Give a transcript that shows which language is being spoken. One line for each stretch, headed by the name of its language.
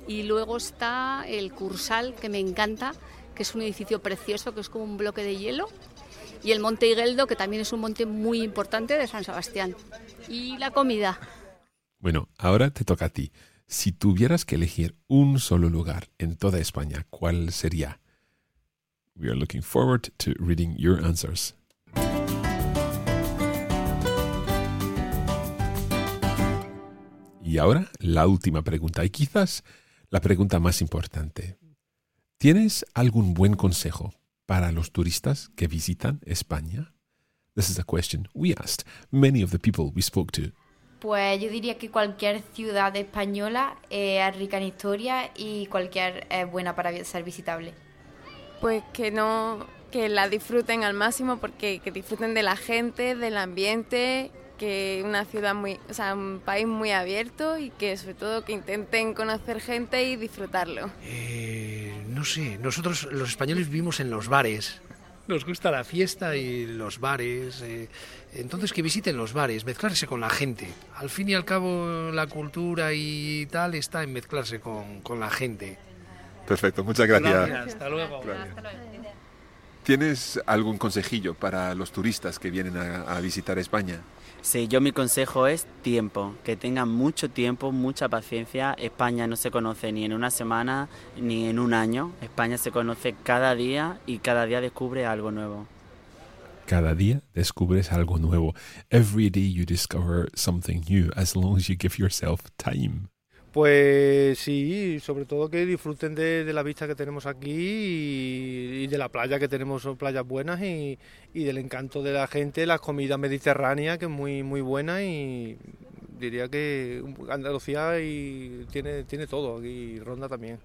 Spanish: Y luego está el Cursal, que me encanta, que es un edificio precioso, que es como un bloque de hielo. Y el Monte Igeldo, que también es un monte muy importante de San Sebastián. Y la comida. Bueno, ahora te toca a ti. Si tuvieras que elegir un solo lugar en toda España, ¿cuál sería?
English: We are looking forward to reading your answers.
Spanish: Y ahora, la última pregunta, y quizás la pregunta más importante. ¿Tienes algún buen consejo para los turistas que visitan España?
English: This is a question we asked many of the people we spoke to.
Spanish: Pues yo diría que cualquier ciudad española es rica en historia y cualquier es buena para ser visitable. Pues que no, que la disfruten al máximo, porque que disfruten de la gente, del ambiente, que una ciudad muy, o sea, un país muy abierto, y que sobre todo que intenten conocer gente y disfrutarlo. No sé, nosotros los españoles vivimos en los bares. Nos gusta la fiesta y los bares. Entonces que visiten los bares, mezclarse con la gente. Al fin y al cabo, la cultura y tal está en mezclarse con la gente. Perfecto, muchas gracias. Gracias, hasta luego. Gracias. ¿Tienes algún consejillo para los turistas que vienen a visitar España? Sí, yo mi consejo es tiempo, que tengan mucho tiempo, mucha paciencia. España no se conoce ni en una semana ni en un año. España se conoce cada día y cada día descubre algo nuevo. Cada día descubres algo nuevo.
English: Every day you discover something new, as long as you give yourself time.
Spanish: Pues sí, sobre todo que disfruten de la vista que tenemos aquí y de la playa, que tenemos playas buenas, y del encanto de la gente, la comida mediterránea, que es muy, muy buena, y diría que Andalucía y tiene todo, y Ronda también.